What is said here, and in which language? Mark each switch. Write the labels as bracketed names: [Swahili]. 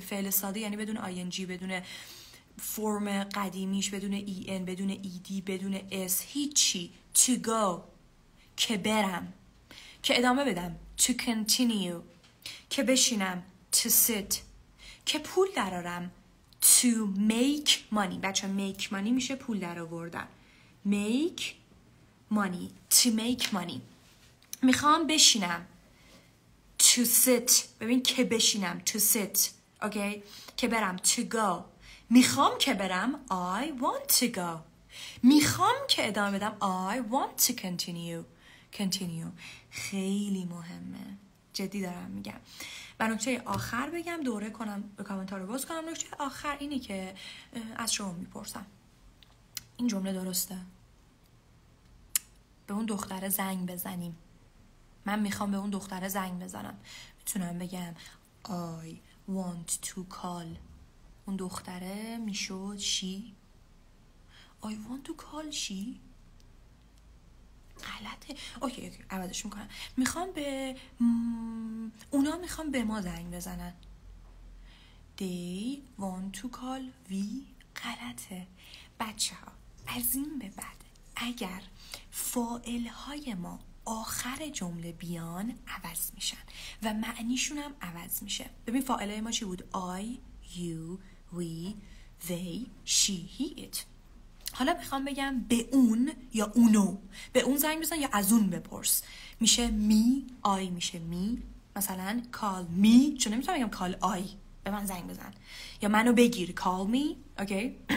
[Persian] فعل ساده یعنی بدون آی ان جی، بدون فرم قدیمیش، بدون ای ان، بدون ای دی، بدون اس، هیچی. تو گو، که برم، که ادامه بدم، to continue، که بشینم، to sit، که پول درارم، to make money. بچه make money میشه پول درآوردن. [English] make money، to make money. [Persian] میخوام بشینم، to sit. ببین که بشینم، to sit. [English] okay. [Persian] که برم، [English] to go. [Persian] میخوام که برم، [English] I want to go. [Persian] میخوام که ادامه بدم، [English] I want to continue. [Persian] continue خیلی مهمه، جدی دارم میگم. و نکته آخر بگم، دوره کنم، به کامنت ها رو باز کنم. نکته آخر اینه که از شما میپرسم این جمله درسته؟ به اون دختره زنگ بزنیم. من میخوام به اون دختره زنگ بزنم. میتونم بگم [English] I want to call. [Persian] اون دختره میشد she. [English] I want to call she. [Persian] غلطه. اوکی اوکی، عوضش میکنم. میخوام به اونا، میخوام به ما زنگ بزنن. [English] They want to call we. [Persian] غلطه. بچه ها از این به بعد اگر فاعل های ما آخر جمله بیان عوض میشن و معنیشون هم عوض میشه. ببین فاعل های ما چی بود؟ I, you, we, they, she, he, it. حالا میخوام بگم به اون یا اونو، به اون زنگ بزن یا از اون بپرس، میشه می. آی میشه می، مثلا کال می، چون نمیتونم بگم کال آی، به من زنگ بزن یا منو بگیر، کال می. اوکی.